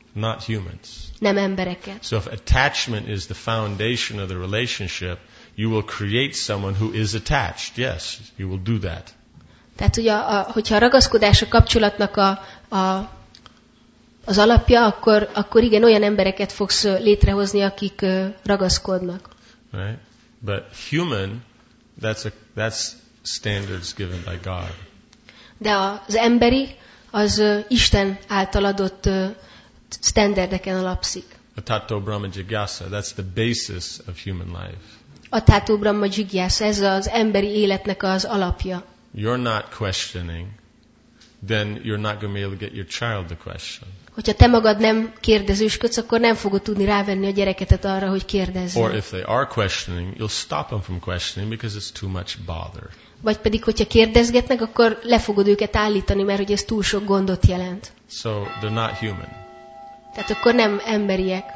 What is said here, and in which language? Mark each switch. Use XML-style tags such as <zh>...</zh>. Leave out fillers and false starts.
<en>Not humans.</en> <hu>Nem embereket.</hu> <en>So if attachment is the foundation of the relationship, you will create someone who is attached. Yes, you will do that.</en> <hu>Tehát ugye, hogyha a ragaszkodás a kapcsolatnak az alapja, akkor igen, olyan embereket fogsz létrehozni, akik ragaszkodnak.</hu> <en>Right? But human, that's standards given by God.</en> <hu>De az emberi, az Isten által adott standardeken alapszik.</hu> <sa>Atato Brahma Jigyasa,</sa> <en>that's the basis of human life.</en> <sa>Atato Brahma Jigyasa,</sa> <hu>ez az emberi életnek az alapja.</hu> <en>You're not questioning, then you're not going to be able to get your child to question.</en> <hu>Hogyha te magad nem kérdezősködsz, akkor nem fogod tudni rávenni a gyereketet arra, hogy kérdezzen.</hu> <en>Or if they are questioning, you'll stop them from questioning because it's too much bother.</en> <hu>Vagy pedig, hogyha kérdezgetnek, akkor le fogod őket állítani, mert hogy ez túl sok gondot jelent.</hu> <en>So they're not human.</en> <hu>Tehát akkor nem emberiek.</hu>